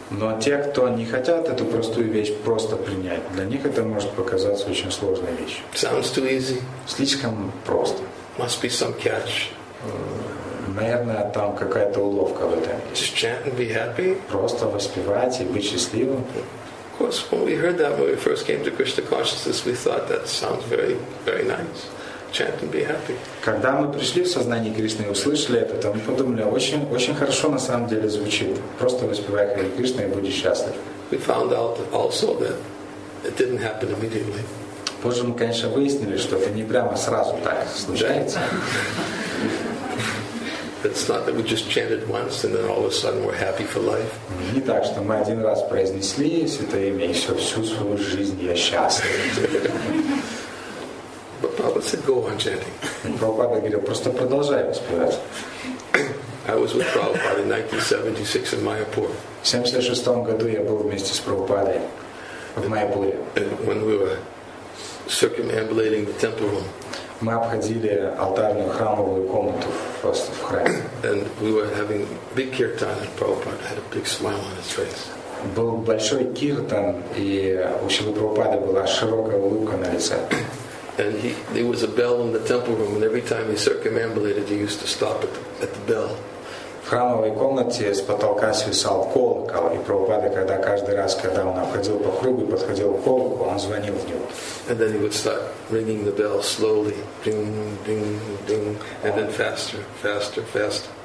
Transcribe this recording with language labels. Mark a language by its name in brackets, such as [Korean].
[Russian] Но те, кто не хотят эту простую вещь просто принять, для них это может показаться очень сложной вещью. [English] Sounds too easy. [Russian] Слишком просто. [English] Must be some catch. [Russian] Наверное, там какая-то уловка в этом. [English] Just chant and be happy. [Russian] Просто воспевать и быть счастливым. [English] Of course, when we heard that when we first came to Krishna consciousness, we thought that sounds very, very nice. Chant and be happy. [Russian] Когда мы пришли в сознание Кришны и услышали это, то мы подумали, очень, очень хорошо на самом деле звучит. Просто воспевай Хари Кришна и будь счастлив. [English] We found out also that it didn't happen immediately. [Russian] Позже мы, конечно, выяснили, что это не прямо сразу так случается. [English] It's not that we just chanted once and then all of a sudden we're happy for life. [Russian] Не так, что мы один раз произнесли святое имя, и все, всю свою жизнь я счастлив. [English] But Prabhupada said, go on chanting. [Russian] Прабхупада говорил, просто продолжай воспевать. [English] I was with Prabhupada in 1976 in Mayapur. [Russian] В 76-м году я был вместе с Прабхупадой в Майяпуре. [English] When we were circumambulating the temple room. [Russian] Мы обходили алтарную храмовую комнату просто в храме. [English] And we were having big kirtan and Prabhupada had a big smile on his face. [Russian] Был большой киртан, и у Шрилы Прабхупады была широкая улыбка на лице. [English] And there was a bell in the temple room, and every time he circumambulated, he used to stop at the bell. [Russian] В храмовой комнате с потолка свисал колокол, и Прабхупада, когда каждый раз, когда он обходил по кругу и подходил к колоколу, он звонил в него. [English] And then he would start ringing the bell slowly, ding, ding, ding, and then faster, faster, faster.